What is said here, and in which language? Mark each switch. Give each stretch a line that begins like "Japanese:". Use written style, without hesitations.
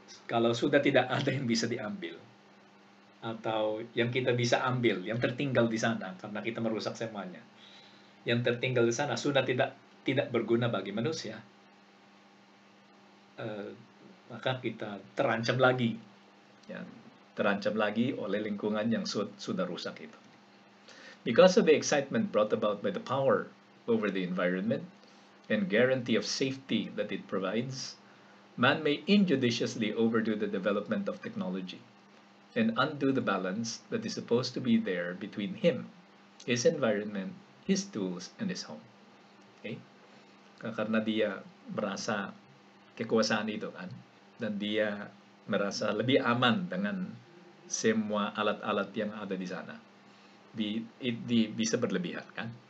Indonesian: Kalau sudah tidak ada yang bisa diambil, atau yang kita bisa ambil, yang tertinggal di sana, karena kita merusak semuanya, yang tertinggal di sana sudah tidak berguna bagi manusia, maka kita terancam lagi, ya, terancam lagi oleh lingkungan yang sudah rusak itu.
English: Because of the excitement brought about by the power over the environment and guarantee of safety that it provides, man may injudiciously overdo the development of technology and undo the balance that is supposed to be there between him, his environment, his tools, and his home.
Indonesian: Okay? Karena dia merasa kekuasaan itu, kan? Dan dia merasa lebih aman dengan semua alat-alat yang ada di sana. Di bisa berlebihan, kan?